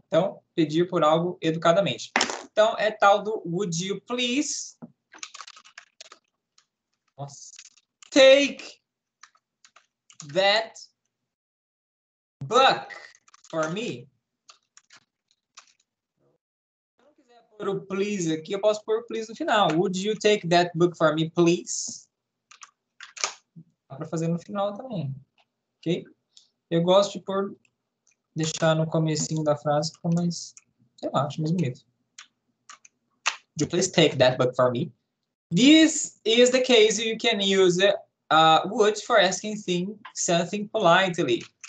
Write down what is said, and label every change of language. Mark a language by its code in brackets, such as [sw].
[pt] Então, pedir por algo educadamente. Então, é tal do [en] would you please... [pt] Nossa. [en] Take that book for me. [pt] Se eu não quiser pôr o please aqui, eu posso pôr o please no final. [en] Would you take that book for me, please? [pt] Dá para fazer no final também. Ok? Eu gosto de pôr, deixar no comecinho da frase, mas sei lá, acho mais bonito. [en] Would you please take that book for me? This is the case you can use would for asking something politely.